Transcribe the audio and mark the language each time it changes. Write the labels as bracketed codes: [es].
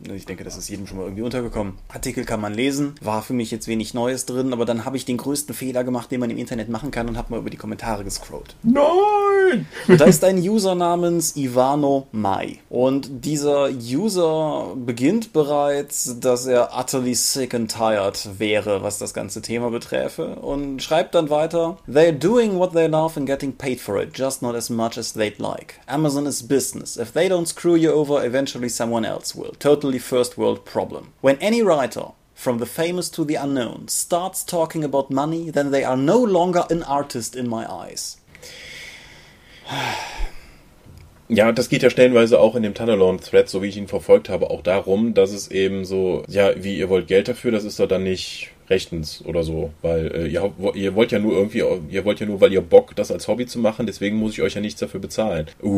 [de] Ich denke, das ist jedem schon mal irgendwie untergekommen. Artikel kann man lesen, war für mich jetzt wenig Neues drin, aber dann habe ich den größten Fehler gemacht, den man im Internet machen kann, und habe mal über die Kommentare gescrollt. Nein! schön. Und da ist ein User namens Ivano Mai. Und dieser User beginnt bereits, dass er [en] utterly sick and tired [de] wäre, was das ganze Thema beträfe. Und schreibt dann weiter, [en] they're doing what they love and getting paid for it, just not as much as they'd like. Amazon is business. If they don't screw you over, eventually someone else will. Totally first world problem. When any writer, from the famous to the unknown, starts talking about money, then they are no longer an artist in my eyes. [de] Ja, das geht ja stellenweise auch in dem Tunnelorn-Thread, so wie ich ihn verfolgt habe, auch darum, dass es eben so, ja, wie ihr wollt Geld dafür, das ist doch dann nicht rechtens oder so, weil ihr wollt ja nur, weil ihr Bock, das als Hobby zu machen, deswegen muss ich euch ja nichts dafür bezahlen.